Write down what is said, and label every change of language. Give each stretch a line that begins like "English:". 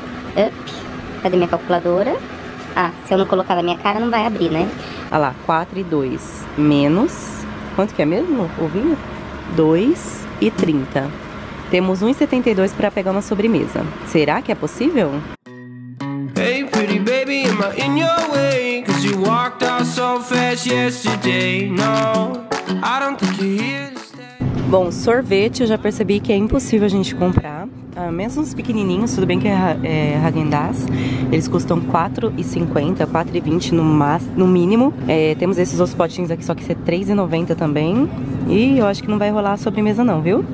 Portuguese: Up, cadê minha calculadora? Ah, se eu não colocar na minha cara, não vai abrir, né? Olha lá, 4,2 menos... Quanto que é mesmo o vinho? 2,30. Temos 1,72 para pegar uma sobremesa. Será que é possível?
English: Hey, pretty baby, am I in your way? 'Cause you walked out so fast yesterday. No, I don't think you're here.
Portuguese: Bom, sorvete eu já percebi que é impossível a gente comprar, mesmo os pequenininhos, tudo bem que é Häagen-Dazs, eles custam R$4,50, R$4,20 no mínimo. Temos esses outros potinhos aqui, só que isso é R$3,90 também, e eu acho que não vai rolar a sobremesa não, viu?